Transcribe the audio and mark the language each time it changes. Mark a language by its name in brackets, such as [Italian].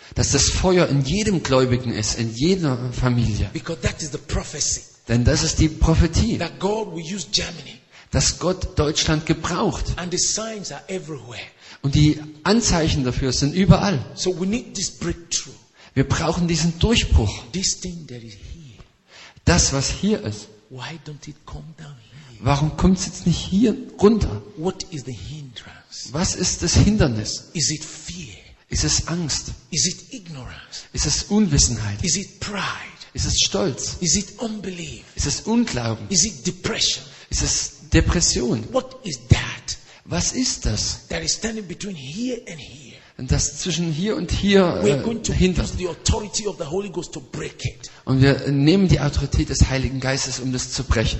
[German] Dass das Feuer in jedem Gläubigen ist, in jeder Familie. [English] Because that is the prophecy. [German] Denn das ist die Prophetie, [English] that God will use Germany. [German] Dass Gott Deutschland gebraucht. [English] And the signs are everywhere. [German] Und die Anzeichen dafür sind überall. [English] So we need this breakthrough. [German] Wir brauchen diesen Durchbruch. [English] This thing that is here. [German] Das, was hier ist. [English] Why don't it come down here? [German] Warum kommt es jetzt nicht hier runter? [English] What is the hindrance? [German] Was ist das Hindernis? [English] Is it fear? [German] Ist es Angst? [English] Is it ignorance? [German] Ist es Unwissenheit? [English] Is it pride? [German] Ist es Stolz? [English] Is it unbelief? [German] Ist es Unglauben? [English] Is it depression? [German] Ist es Depression? [English] What is that? [German] Was ist das? [English] That is standing between here and here. [German] Und das zwischen hier und hier hindert. [English] The authority of the Holy Ghost to break it. [German] Und wir nehmen die Autorität des Heiligen Geistes, um das zu brechen.